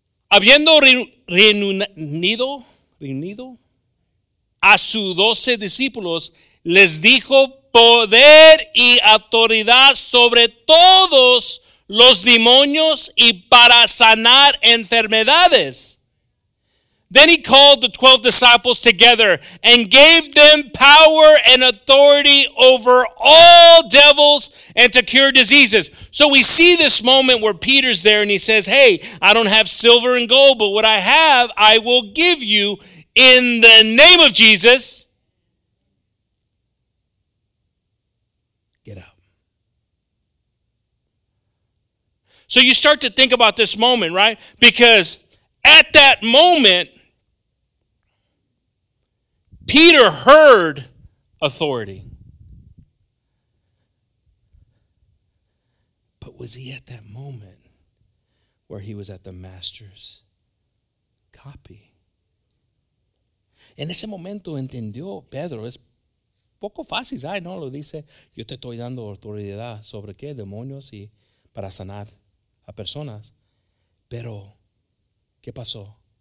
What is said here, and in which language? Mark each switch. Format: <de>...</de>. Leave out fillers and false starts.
<es>Habiendo reunido a sus doce discípulos, les dijo poder y autoridad sobre todos los demonios y para sanar enfermedades.</es> <en>Then he called the 12 disciples together and gave them power and authority over all devils and to cure diseases. So we see this moment where Peter's there and he says, hey, I don't have silver and gold, but what I have, I will give you in the name of Jesus. Get up. So you start to think about this moment, right? Because at that moment, Peter heard authority. But was he at that moment where he was at the Master's copy?</en> <es>En ese momento entendió Pedro, es poco fácil, ¿sabes? No lo dice, yo te estoy dando autoridad sobre qué, demonios y para sanar a personas. Pero, ¿qué pasó?</es>